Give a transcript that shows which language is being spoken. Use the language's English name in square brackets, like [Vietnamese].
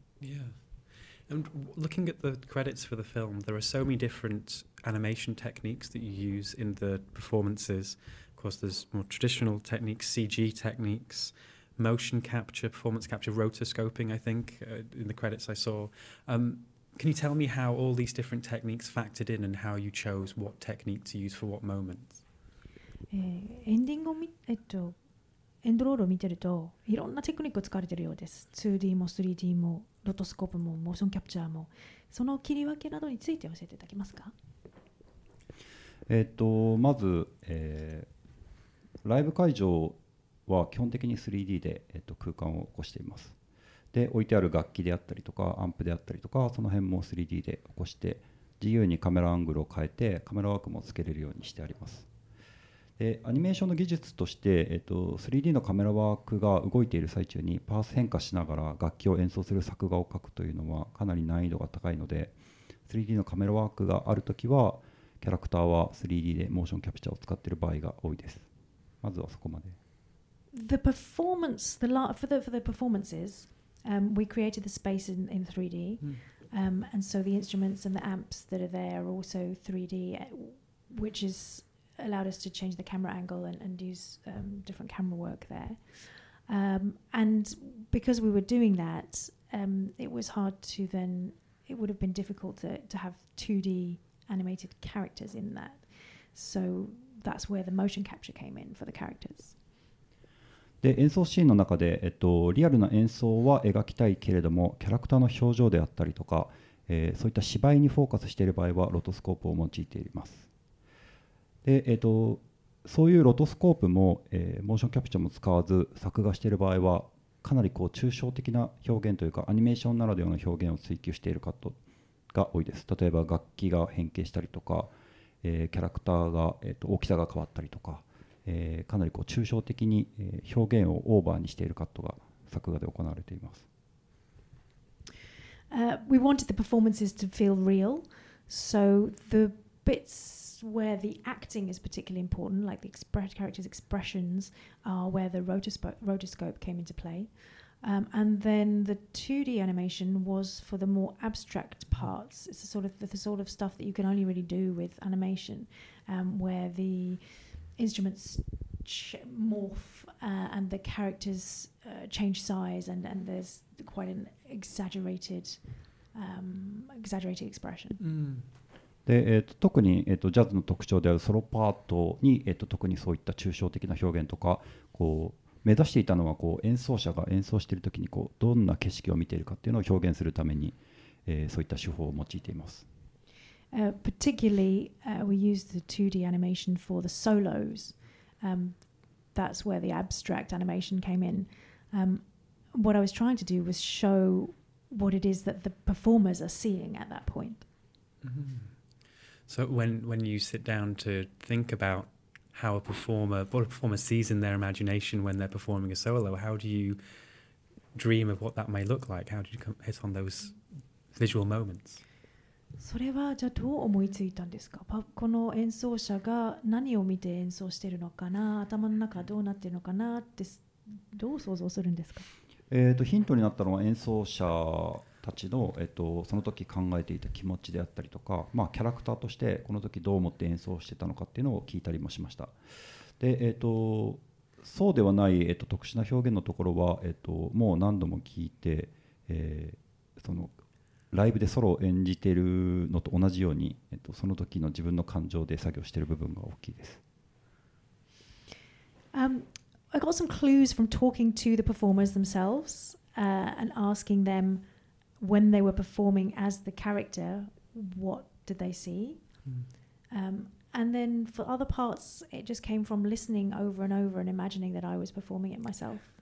[English] yeah and looking at the credits for the film there are so many different animation techniques that you use in the performances. Of course there's more traditional techniques, CG techniques, motion capture, performance capture, rotoscoping I think、in the credits I saw、Can you tell me how all these different techniques factored in and how you chose what technique to use for what moment? [Japanese] エンディングを見、エンドロールを見てるといろんなテクニックを使われてるようです。 2D も 3D もロトスコープもモーションキャプチャーもその切り分けなどについて教えていただけますか？まず、ライブ会場は基本的に 3D で、空間を起こしています。で置いてある楽器であったりとかアンプであったりとかその辺も 3D で起こして自由にカメラアングルを変えてカメラワークもつけれるようにしてあります。でアニメーションの技術として、3D のカメラワークが動いている最中にパース変化しながら楽器を演奏する作画を描くというのはかなり難易度が高いので 3D のカメラワークがあるときはキャラクターは 3D でモーションキャプチャーを使っている場合が多いです。まずはそこまで。 [English] The performance, for the performancesWe created the space in 3D、mm. And so the instruments and the amps that are there are also 3D which has allowed us to change the camera angle and use、different camera work there、and because we were doing that、it was hard to then it would have been difficult to have 2D animated characters in that so that's where the motion capture came in for the characters. [Japanese] で演奏シーンの中で、リアルな演奏は描きたいけれどもキャラクターの表情であったりとか、そういった芝居にフォーカスしている場合はロトスコープを用いています。で、そういうロトスコープも、モーションキャプチャーも使わず作画している場合はかなりこう抽象的な表現というかアニメーションならではの表現を追求しているカットが多いです。例えば楽器が変形したりとか、キャラクターが、大きさが変わったりとかかなりこう抽象的に表現をオーバーにしているカットが作画で行われています。 [English] We wanted the performances to feel real, so the bits where the acting is particularly important, like the character's expressions are where the rotoscope came into play. And then the 2D animation was for the more abstract parts. It's the sort of stuff that you can only really do with animation, where the instruments morph and the characters change size, and there's quite an exaggerated expression. Mm. [Japanese] で、特に、ジャズの特徴であるソロパートに、特にそういった抽象的な表現とかこう目指していたのはこう演奏者が演奏しているときにこうどんな景色を見ているかっていうのを表現するために、そういった手法を用いています。 [English] Particularly, we use the 2D animation for the solos. That's where the abstract animation came in. What I was trying to do was show what it is that the performers are seeing at that point. So when you sit down to think about how a performer, what a performer sees in their imagination when they're performing a solo, how do you dream of what that may look like? How do you hit on those visual moments? [Japanese] それはじゃあどう思いついたんですか？この演奏者が何を見て演奏しているのかな？頭の中どうなっているのかな？ってどう想像するんですか？ヒントになったのは演奏者たちの、その時考えていた気持ちであったりとか、まあ、キャラクターとしてこの時どう思って演奏してたのかっていうのを聞いたりもしました。で、そうではない、特殊な表現のところは、もう何度も聞いて、そのライブでソロを演じているのと同じように、その時の自分の感情で作業している部分が大きいです。 [English] I got some clues from talking to the performers themselves, and asking them when they were performing as the character, what did they see? Mm. And then for other parts, it just came from listening over and over and imagining that I was performing it myself.